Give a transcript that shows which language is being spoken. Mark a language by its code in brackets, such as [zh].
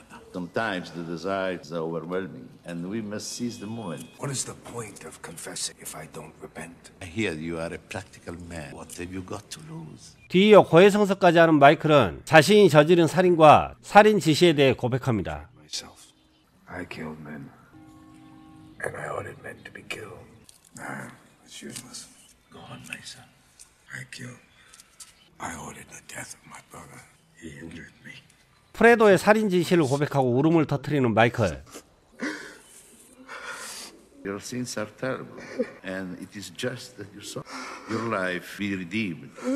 [en] Sometimes the desires are overwhelming, and we must seize the moment. What is the point of confessing if I don't repent? I hear you are a practical man. What have you got to lose? [ko] 뒤이어 고해성서까지 하는 마이클은 자신이 저지른 살인과 살인 지시에 대해 고백합니다. [en] Myself. I killed men. And I ordered men to be killed. Nah, it's useless. Go on, my son. I killed. I ordered the death of my brother. He injured me. [ko] 프레도의 살인 진실을 고백하고 울음을 터뜨리는 마이클. [en] Your sins are terrible, and it is just that you saw your life be redeemed.